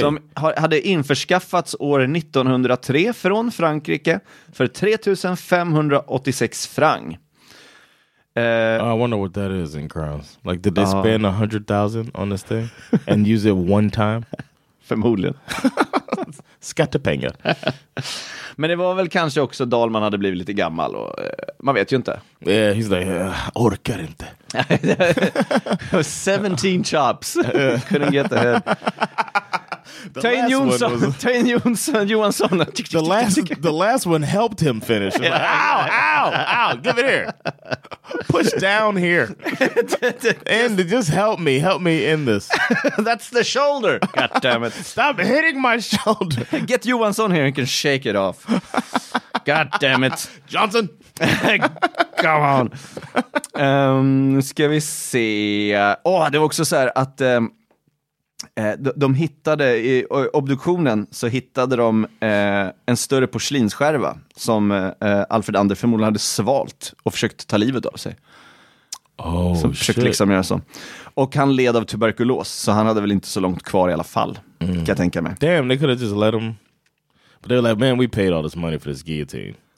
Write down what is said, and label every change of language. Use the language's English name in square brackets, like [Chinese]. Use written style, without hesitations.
[Swedish] Som hade införskaffats år 1903 från Frankrike för 3586 franc. [English] I wonder what that is in crowns. Like, did they spend 100,000 on this thing and use it one time? [Swedish] Förmodligen. Skattepengar. Men det var väl kanske också Dahlman hade blivit lite gammal och man vet ju inte. [English] Yeah, he's like, [Swedish] orkar inte. [English] 17 chops. Couldn't get the head. Tain Jonsson Johansson. The last one helped him finish. Like, ow, ow, ow. Give it here. Push down here. And just help me. Help me in this. That's the shoulder. God damn it. Stop hitting my shoulder. Get Johansson here and can shake it off. God damn it. Johnson. Come on. [Swedish] Ska vi se. Åh, det var också så här att... De hittade i obduktionen, så hittade de en större porslinsskärva som Alfred Ander förmodligen hade svalt och försökt ta livet av sig. [English] Oh, [Swedish] så försökt [English] shit. [Swedish] Liksom göra så. Och han led av tuberkulos, så han hade väl inte så långt kvar i alla fall. Kan jag tänka mig. [English] Damn, they could have just let him. But they were like, man, we paid all this money for this guillotine.